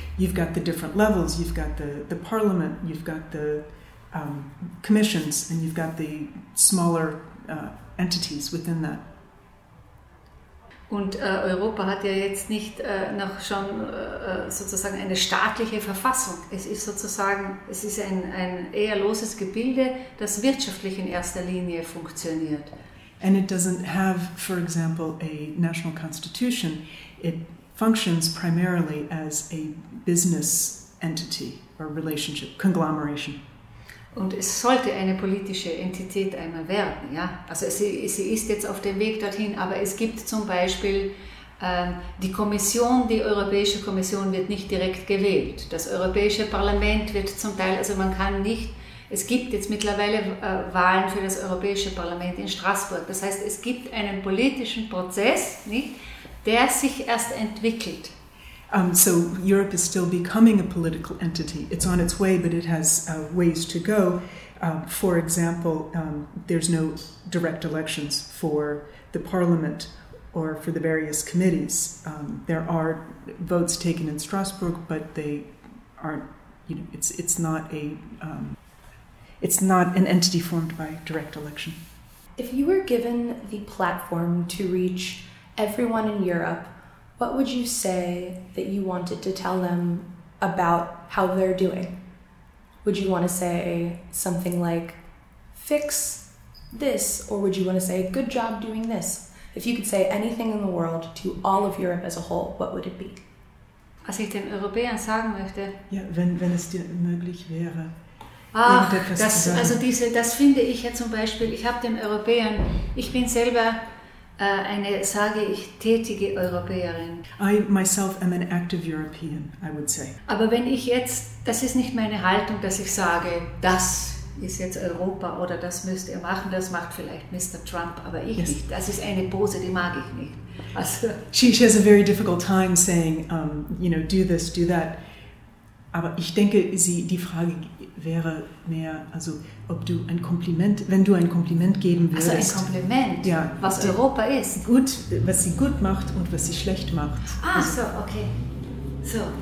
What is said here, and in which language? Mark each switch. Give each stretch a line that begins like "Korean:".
English: You've got the different levels, you've got the parliament, you've got the commissions, and you've got the smaller entities within that.
German: Und Europa hat ja jetzt nicht noch schon sozusagen eine staatliche Verfassung. Es ist sozusagen, es ist ein eher loses Gebilde, das wirtschaftlich in erster Linie funktioniert.
English: And it doesn't have, for example, a national constitution. It functions primarily as a business entity or relationship, conglomeration.
German: Und es sollte eine politische Entität einmal werden, ja. Also sie ist jetzt auf dem Weg dorthin, aber es gibt zum Beispiel die Kommission, die Europäische Kommission wird nicht direkt gewählt. Das Europäische Parlament wird zum Teil, also man kann nicht, es gibt jetzt mittlerweile Wahlen für das Europäische Parlament in Straßburg. Das heißt, es gibt einen politischen Prozess, nicht, der sich erst entwickelt.
English: So Europe is still becoming a political entity. It's on its way, but it has ways to go. For example, there's no direct elections for the parliament or for the various committees. There are votes taken in Strasbourg, but they aren't. You know, it's not a it's not an entity formed by direct election. If you were given the platform to reach everyone in Europe, what would you say that you wanted to tell them about how they're doing? Would you want to say something like, fix this? Or would you want to say, good job doing this? If you could say anything in the world to all of Europe as a whole, what would it be?
German: Was ich den Europäern sagen möchte? Ja, wenn es dir möglich wäre. Ach, das, also diese, das finde ich ja zum Beispiel, ich habe den Europäern, ich bin selber eine, sage ich, tätige Europäerin.
English: I myself am an active European, I would say.
German: Aber wenn ich jetzt, das ist nicht meine Haltung, dass ich sage, das ist jetzt Europa oder das müsst ihr machen, das macht vielleicht Mr. Trump, aber ich yes. nicht. Das ist eine Pose, die mag ich nicht. Also.
English: She has a very difficult time saying, you know, do this, do that.
German: Aber ich denke, die Frage wäre mehr, also ob du ein Kompliment, wenn du ein Kompliment geben würdest. Also ein Kompliment, ja, was die, Europa ist. Gut, was sie gut macht und was sie schlecht macht. Ah, so, okay. So.